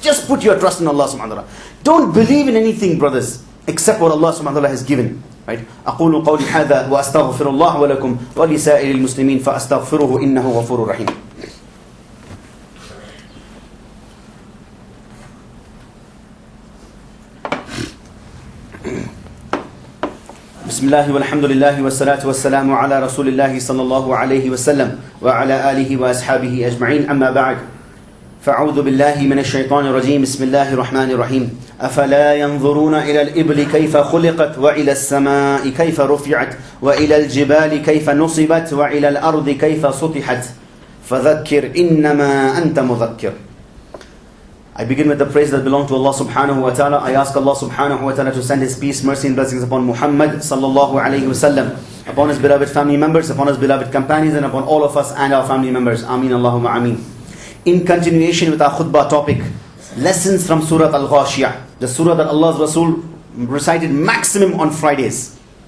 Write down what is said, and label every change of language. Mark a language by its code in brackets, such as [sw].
[en] Just put your trust in Allah subhanahu wa ta'ala. Don't believe in anything, brothers, except what Allah subhanahu wa ta'ala has given. Right? [ar] أقول قولي هذا وأستغفر الله ولكم ولسائر المسلمين فأستغفره إنه غفور رحيم. بسم الله والحمد لله والصلاة والسلام على رسول الله صلى الله عليه وسلم وعلى آله وأصحابه أجمعين أما بعد فأعوذ بالله من الشيطان الرجيم بسم الله الرحمن الرحيم أفلا ينظرون إلى الإبل كيف خلقت وإلى السماء كيف رفعت وإلى الجبال كيف نصبت وإلى الأرض كيف سطحت فذكر إنما أنت مذكر. [en] I begin with the praise that belong to Allah subhanahu wa ta'ala. I ask Allah subhanahu wa ta'ala to send His peace, mercy and blessings upon Muhammad sallallahu alayhi wa sallam, upon his beloved family members, upon his beloved companions, and upon all of us and our family members. Ameen, Allahumma ameen. In continuation with our khutbah topic, lessons from Surah Al Ghashiyah, the surah that Allah's Rasul recited maximum on Fridays.